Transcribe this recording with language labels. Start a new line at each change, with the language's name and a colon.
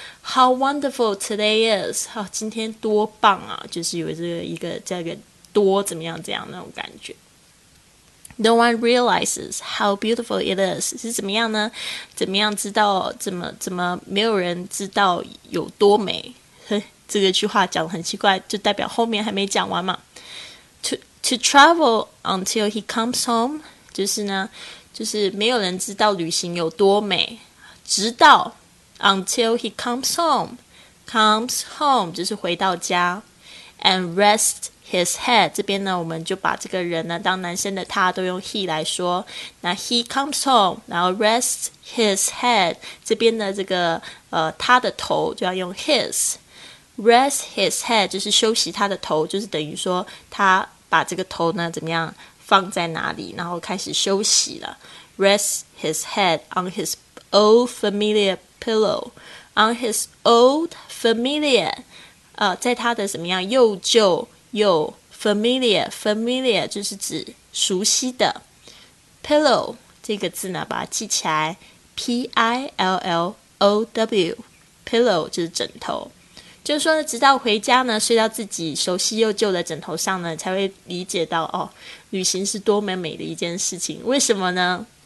English: How wonderful today is，
Chinese: 啊，今天多棒啊，就是有这个一个这个多怎么样这样那种感觉。
English: No one realizes how beautiful it is.
Chinese: 是怎么样呢？怎么样知道？怎么没有人知道有多美？这个句话讲得很奇怪，就代表后面还没讲完嘛。
English: To travel until he comes home，
Chinese: 就是呢，就是没有人知道旅行有多美，直到
English: until he comes home， comes home
Chinese: 就是回到家 ，
English: and rest。 His head
Chinese: 这边呢，我们就把这个人呢，当男生的他都用 he 来说。那
English: he comes home，
Chinese: 然后
English: rest his head
Chinese: 这边的这个他的头就要用
English: his rest his head，
Chinese: 就是休息他的头，就是等于说他把这个头呢怎么样放在哪里，然后开始休息了。
English: Rest his head on his old familiar pillow， on his old familiar，
Chinese: 在他的怎么样又旧。有 familiar 就是指熟悉的 pillow 这个字呢，把它记起来 pillow pillow 就是枕头，就是说呢直到回家呢，睡到自己熟悉又旧的枕头上呢，才会理解到哦，旅行是多么美的一件事情。为什么呢？